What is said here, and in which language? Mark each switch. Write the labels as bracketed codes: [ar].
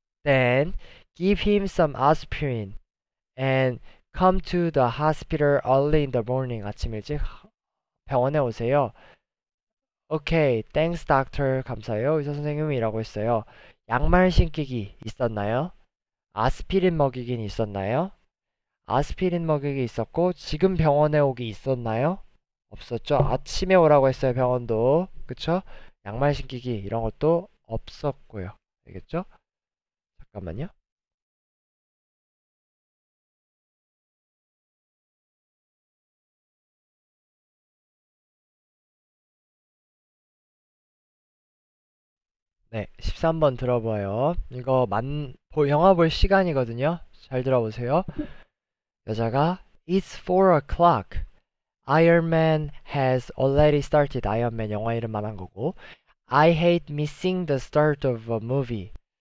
[en] Then give him some aspirin and come to the hospital early in the morning. [ko] 아침 일찍 병원에 오세요. [en] Okay, thanks, doctor. [ko] 감사해요. 의사 선생님이라고 했어요. 양말 신기기 있었나요? 아스피린 먹이긴 있었나요? 아스피린 먹이기 있었고, 지금 병원에 오기 있었나요? 없었죠. 아침에 오라고 했어요, 병원도. 그쵸? 양말 신기기 이런 것도 없었고요. 알겠죠? 잠깐만요. 네, 13번 들어봐요. 이거 영화 볼 시간이거든요. 잘 들어보세요. 여자가 [en] It's 4 o'clock. Iron Man has already started. [ko] 아이언맨 영화 이름 말한 거고. [en] I hate missing the start of a movie.